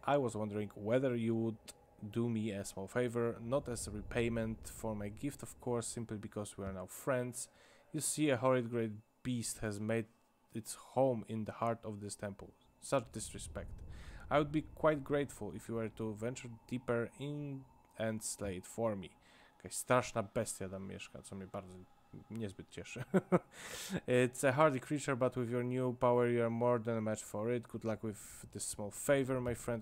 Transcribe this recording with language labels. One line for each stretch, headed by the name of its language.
English: I was wondering whether you would do me a small favor, not as a repayment for my gift, of course, simply because we are now friends. You see, a horrid great beast has made its home in the heart of this temple. Such disrespect. I would be quite grateful if you were to venture deeper in and slay it for me.
Polish: Jakaś straszna bestia tam mieszka, co mnie bardzo niezbyt cieszy.
English: It's a hardy creature, but with your new power you are more than a match for it. Good luck with this small favor, my friend.